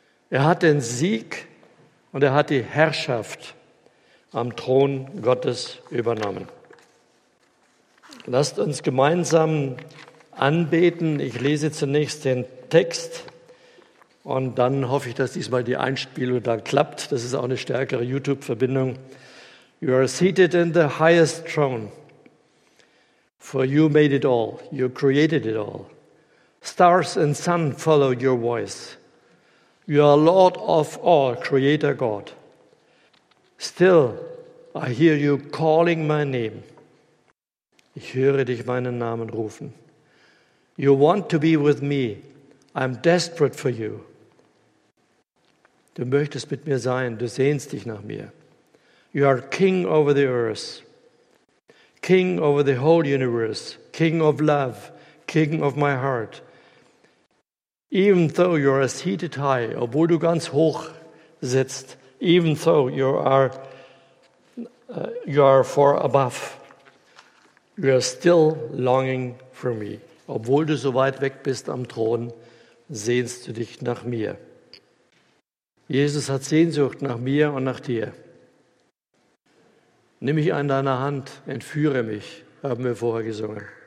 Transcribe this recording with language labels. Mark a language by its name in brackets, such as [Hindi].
[German] Er hat den Sieg und er hat die Herrschaft am Thron Gottes übernommen. Lasst uns gemeinsam anbeten. Ich lese zunächst den Text und dann hoffe ich, dass diesmal die Einspielung dann klappt. Das ist auch eine stärkere YouTube-Verbindung. [English] You are seated in the highest throne, for you made it all, you created it all. Stars and sun follow your voice. You are Lord of all, Creator God. Still, I hear you calling my name. [German] Ich höre dich meinen Namen rufen. [English] You want to be with me. I'm desperate for you. [German] Du möchtest mit mir sein. Du sehnst dich nach mir. [English] You are King over the earth. King over the whole universe. King of love. King of my heart. Even though you are seated high, [German] obwohl du ganz hoch sitzt, [English] even though you are far above, you are still longing for me. [German] Obwohl du so weit weg bist am Thron, sehnst du dich nach mir. Jesus hat Sehnsucht nach mir und nach dir. Nimm mich an deiner Hand, entführe mich, haben wir vorher gesungen.